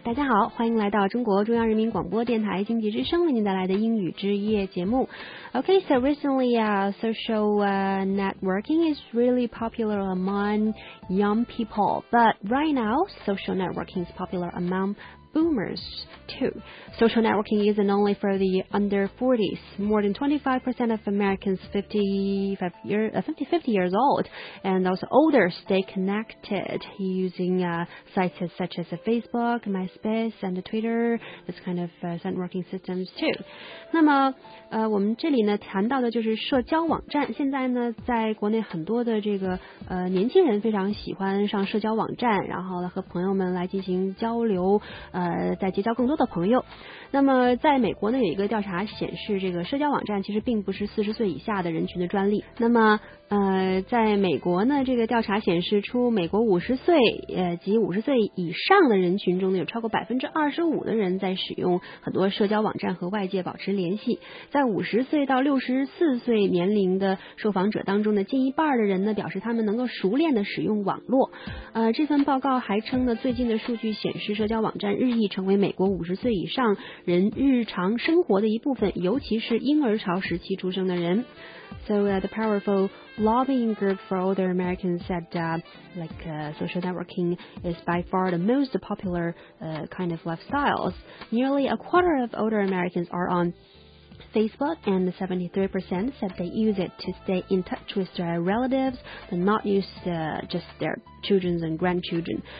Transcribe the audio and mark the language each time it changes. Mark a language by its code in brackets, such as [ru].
[zh] 大家好，欢迎来到中国中央人民广播电台经济之声为您带来的英语之夜节目。 [en] Okay, so recently, social networking is really popular among young people, but right now, social networking is popular among boomers too. Social networking isn't only for the under 40s. More than 25% of Americans 50 years old and also older stay connected using sites such as Facebook, MySpace and Twitter, this kind of networking systems too. [zh] 那么我们这里呢谈到的就是社交网站，现在呢在国内很多的这个年轻人非常喜欢上社交网站，然后呢和朋友们来进行交流，在结交更多的朋友。那么在美国呢有一个调查显示，这个社交网站其实并不是40岁以下的人群的专利。那么在美国呢这个调查显示出，美国50岁以上的人群中呢，有超过25%的人在使用很多社交网站和外界保持联系。在50岁到64岁年龄的受访者当中呢，近一半的人呢表示他们能够熟练的使用网络。这份报告还称呢，最近的数据显示社交网站日益成为美国50岁以上人日常生活的一部分，尤其是婴儿潮时期出生的人。 [en] So the powerful lobbying group for older Americans said social networking is by far the most popular kind of lifestyles. Nearly a quarter of older Americans are onFacebook, and 73% said they use it to stay in touch with their relatives, but not use just their children and grandchildren.